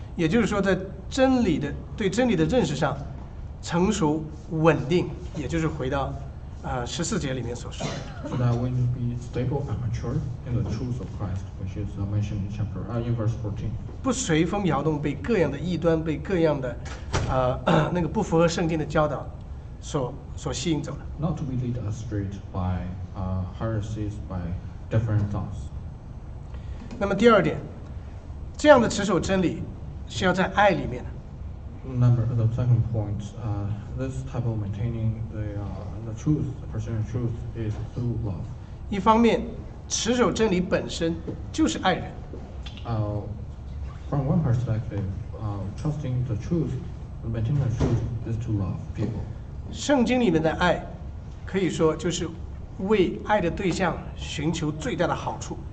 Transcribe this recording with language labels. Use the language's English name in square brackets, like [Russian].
[Chinese] 也就是说，在真理的对真理的认识上成熟稳定，也就是回到十四节里面所说的。 [English] So that we need to be stable and mature in the truth of Christ, which is mentioned in verse 14. [Chinese] 不随风摇动，被各样的异端，被各样的，那个不符合圣经的教导，所吸引走了。 [English] Not to be led astray by heresies, by different thoughts. [Chinese] 那么第二点，这样的持守真理是要在爱里面的。 [English] The second point, this type of maintaining the pursuing truth is through love. [Chinese] 一方面，持守真理本身就是爱人。 [English] From one perspective, trusting the truth, maintaining the truth is to love people. [Chinese] 圣经里面的爱，可以说就是为爱的对象寻求最大的好处。